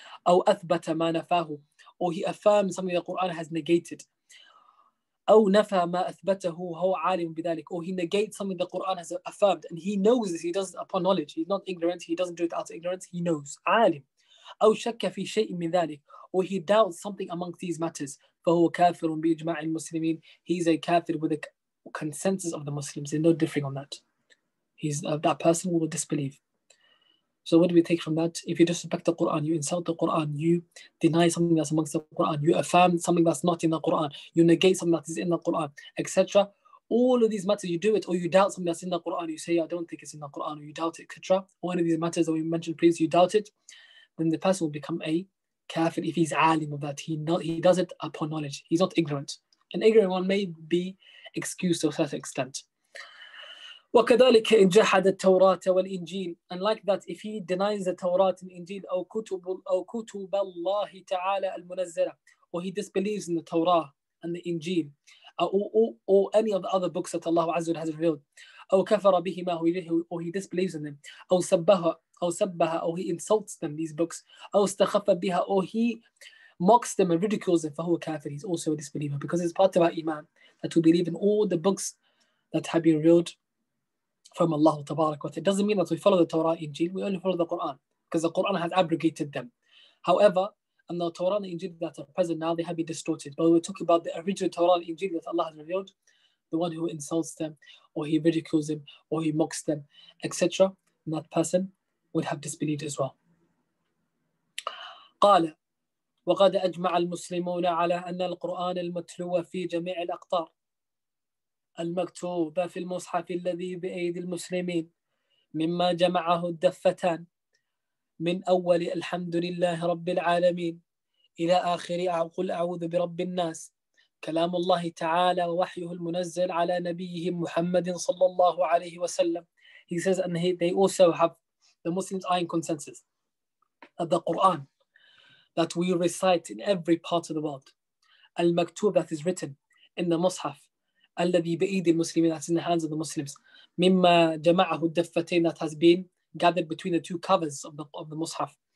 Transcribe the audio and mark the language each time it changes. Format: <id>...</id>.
<ar>أو أثبت ما نفاه,</ar> <en>or he affirms something the Quran has negated.</en> <ar>أو نفى ما أثبته هو عالم بذلك,</ar> <en>or he negates something the Quran has affirmed, and he knows this, he does it upon knowledge, he's not ignorant, he doesn't do it out of ignorance, he knows. عالم,</en> <ar>أو شك في شيء من ذلك.</ar> <en>Or he doubts something amongst these matters.</en> <ar>فهو كافر بإجماع المسلمين.</ar> <en>He's a kafir with a consensus of the Muslims. There's no differing on that. He's that person will disbelieve. So what do we take from that? If you disrespect the Quran, you insult the Quran, you deny something that's amongst the Quran, you affirm something that's not in the Quran, you negate something that is in the Quran, etc. All of these matters, you do it, or you doubt something that's in the Quran, you say, I don't think it's in the Quran, or you doubt it, etc. One of these matters that we mentioned previously, you doubt it, then the person will become a kafir if he's alim of that. He does it upon knowledge. He's not ignorant. An ignorant one may be excused to a certain extent.</en> <ar>وكذلك إن جحد التوراة والإنجيل.</ar> <en>And like that, if he denies the Torah and Injil</en> <ar>أو كتب الله تعالى المنزلة,</ar> <en>or he disbelieves in the Torah and the Injil, or any of the other books that Allah Azza has revealed,</en> <ar>أو كفر بهما,</ar> <en>or he disbelieves in them,</en> <ar>أو سبها,</ar> <en>or he insults them, these books,</en> <ar>أو استخف بها,</ar> <en>or he mocks them and ridicules them,</en> <ar>فهو كافر,</ar> <en>he's also a disbeliever, because it's part of our iman that we believe in all the books that have been revealed from Allah Tabarak wa Ta'ala. It doesn't mean that we follow the Torah and Injil, we only follow the Quran, because the Quran has abrogated them. However, and the Torah and Injil that are present now, they have been distorted. But we're talking about the original Torah and Injil that Allah has revealed, the one who insults them, or he ridicules them, or he mocks them, etc. And that person would have disbelieved as well.</en> <ar>قال وقد أجمع المسلمون على أن القرآن المتلو في جميع الأقطار المكتوب في المصحف الذي بأيدي المسلمين مما جمعه الدفتان من أول الحمد لله رب العالمين إلى آخر قل أعوذ برب الناس كلام الله تعالى ووحيه المنزل على نبيه محمد صلى الله عليه وسلم.</ar> <en>He says and they also have the Muslims are in consensus of the Quran that we recite in every part of the world. المكتوب that is written in the Mushaf</en> <ar>الذي بأيدي المسلمين,</ar> <en>that's in the hands of the Muslims.</en> <ar>مما جمعه الدفتين,</ar> <en>that has been gathered between the two covers of the Mushaf.</en>